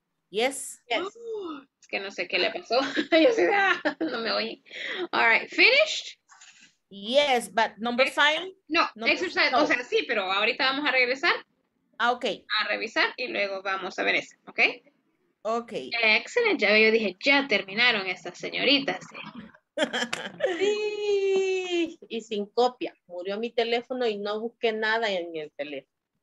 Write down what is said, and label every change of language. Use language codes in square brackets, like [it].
[en] Yes. Yes. [es] Es que no sé qué le pasó. Yo sé, no me oyen. [en] All right, finished? Yes, but number five? [es] No, exercise, o sea, sí, pero ahorita vamos a regresar. [en] Ah, okay. [es] A revisar y luego vamos a ver eso, okay? [en] Okay. [es] Excellent, ya yo dije, ya terminaron estas señoritas. Sí, y sin copia. Murió mi teléfono y no busqué nada en el teléfono.